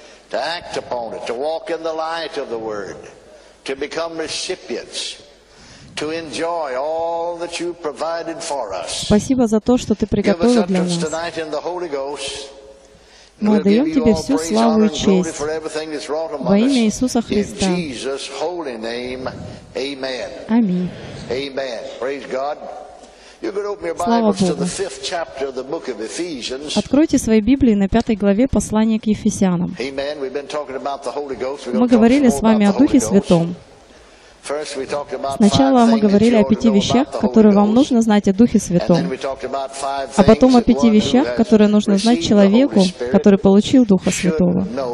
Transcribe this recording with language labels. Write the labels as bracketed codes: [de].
[en] To act upon it, to walk in the light of the Word, to become recipients, to enjoy all that you provided for us. [ru] Спасибо за то, что ты приготовил для нас. [en] Tonight in the Holy Ghost, [ru] мы отдаем тебе всю славу и честь во имя Иисуса Христа. [en] In Jesus' holy name, Amen. [ru] Аминь. [en] Amen. Praise God. You could open your Bibles to the fifth chapter of the book of Ephesians. [ru] Откройте свои Библии на пятой главе послания к Ефесянам. [en] Amen. We've been talking about the Holy Ghost. [ru] Мы говорили с вами о Духе Святом. [en] First, we talked about [ru] сначала мы говорили о пяти вещах, которые вам нужно знать о Духе Святом. А потом о пяти вещах, которые нужно знать человеку, который получил Духа Святого.